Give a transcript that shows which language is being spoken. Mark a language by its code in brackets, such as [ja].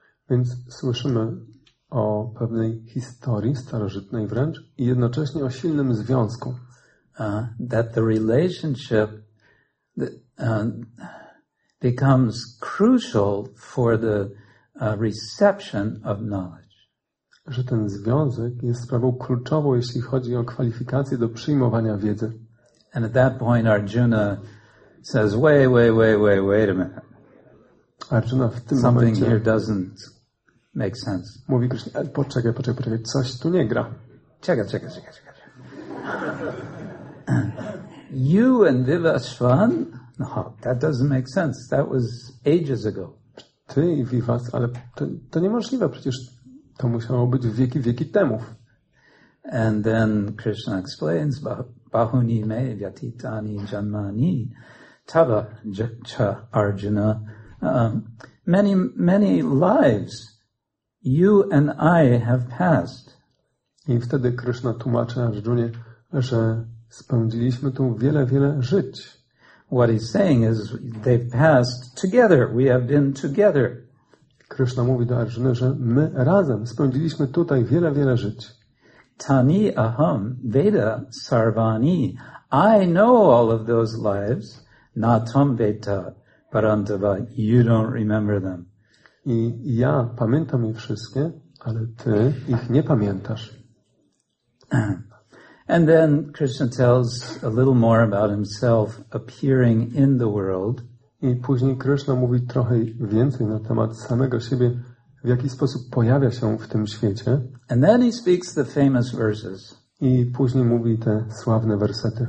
[pl] Więc słyszymy o pewnej historii starożytnej wręcz i jednocześnie o silnym związku. [en] That the relationship becomes crucial for the reception of knowledge. [pl] Że ten związek jest sprawą kluczową, jeśli chodzi o kwalifikacje do przyjmowania wiedzy. [en] And at that point Arjuna says, wait a minute. [pl] Arjuna w tym [en] something [pl] momencie [en] here doesn't make sense. [pl] Mówi Krishna, ale poczekaj, coś tu nie gra. Czekaj. [en] You and Vivasvan? No, that doesn't make sense. That was ages ago. [pl] Ty i Vivas, ale to niemożliwe, przecież to musiało być wieki temu. [en] And then Krishna explains, [sa] Bahuni me vyatitani janmani tava cha Arjuna. [en] Many lives you and I have passed. [pl] I wtedy Krishna tłumaczy Arjunie, że spędziliśmy tu wiele żyć. [en] What he's saying is they've passed together. We have been together. [pl] Krishna mówi do Arjuny, że my razem spędziliśmy tutaj wiele żyć. [sa] Tani aham veda sarvani. [en] I know all of those lives. [sa] Na tam veda parantava. [en] You don't remember them. [pl] I ja pamiętam je wszystkie, ale ty ich nie pamiętasz. [en] And then Krishna tells a little more about himself appearing in the world. [pl] I później Krishna mówi trochę więcej na temat samego siebie, w jaki sposób pojawia się w tym świecie. [en] And then he speaks the famous verses. [pl] I później mówi te sławne wersety.